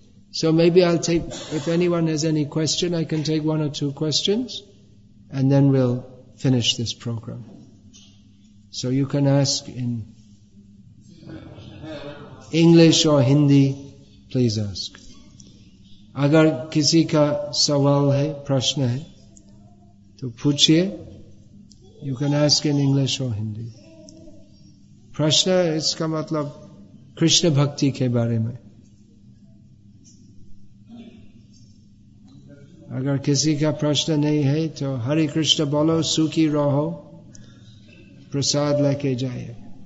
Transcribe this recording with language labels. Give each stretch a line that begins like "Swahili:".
English: So maybe I'll take, if anyone has any question, I can take one or two questions. And then we'll finish this program. So you can ask in English or Hindi, please ask.
Hindi: अगर किसी का सवाल है, प्रश्न है, तो पूछिये.
English: You can ask in English or Hindi.
Hindi: प्रश्न, इसका मतलब कृष्ण भक्ति के बारे में. अगर किसी का प्रश्न नहीं है, तो हरे कृष्ण बोलो, सुखी रहो, प्रसाद लेके जाये.